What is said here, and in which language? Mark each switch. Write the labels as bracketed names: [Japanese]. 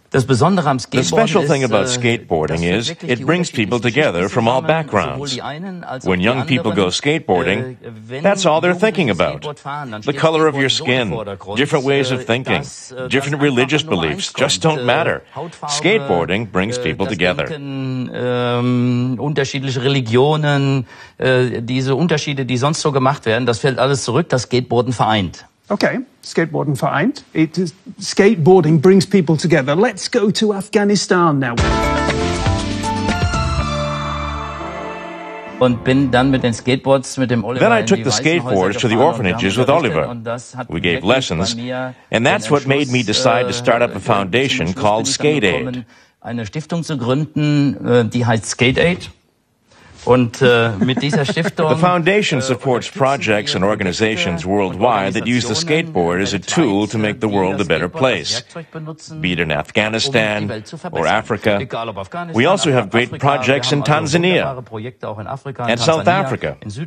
[English] The special thing about skateboarding is it brings people together from all backgrounds. When young people go skateboarding, that's all they're thinking about. The color of your skin, different ways of thinking, different religious beliefs just don't matter. Skateboarding brings people together. [German] Unterschiedliche Religionen, diese Unterschiede, die sonst so gemacht werden, das fällt alles zurück, das Skateboarden vereint. Okay, skateboarding vereint. [English] Skateboarding brings people together. Let's go to Afghanistan now. [German] Und bin dann mit den Skateboards mit dem Oliver. [English] Then I took the skateboards to the orphanages with Oliver. We gave lessons, and that's what made me decide to start up a foundation called Skate Aid. [German] Eine Stiftung zu gründen, die heißt Skate Aid. Und mit dieser Stiftung, [English] the foundation supports projects and organizations worldwide that use the skateboard as a tool to make the world a better place, be it in Afghanistan or Africa. We also have great projects in Tanzania and South Africa.